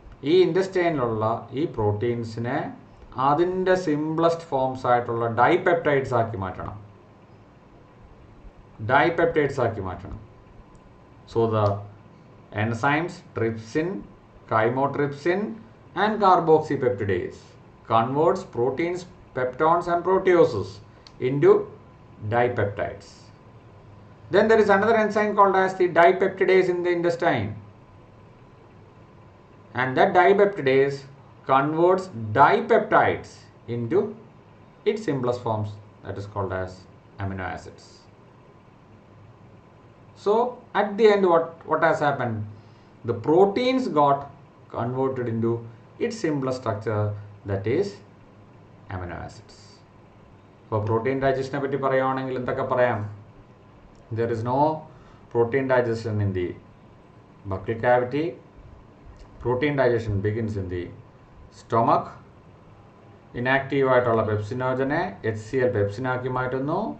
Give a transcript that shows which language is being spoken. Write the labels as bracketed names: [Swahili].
[Malayalam] ഈ ഇൻഡസ്ട്രൈനിലുള്ള ഈ പ്രോട്ടീൻസിനെ അതിൻ്റെ സിംപ്ലസ്റ്റ് ഫോംസ് ആയിട്ടുള്ള ഡൈപെപ്റ്റൈഡ്സ് ആക്കി മാറ്റണം, ഡൈപെപ്റ്റൈഡ്സ് ആക്കി മാറ്റണം. [English] So the enzymes trypsin, chymotrypsin and carboxypeptidase converts proteins, peptones and proteoses into dipeptides. Then there is another enzyme called as the dipeptidase in the intestine. And that dipeptidase converts dipeptides into its simplest forms, that is called as amino acids. So at the end what has happened? The proteins got converted into its simplest structure, that is amino acids. [Malayalam] അപ്പോൾ protein ഡൈജസ്റ്റിനെ പറ്റി പറയുകയാണെങ്കിൽ എന്തൊക്കെ പറയാം? [English] There is no protein digestion in the buccal cavity. Protein digestion begins in the stomach. [Malayalam] ഇനാക്റ്റീവായിട്ടുള്ള പെപ്സിനോജനെ H C L പെപ്സിനാക്കി മാറ്റുന്നു.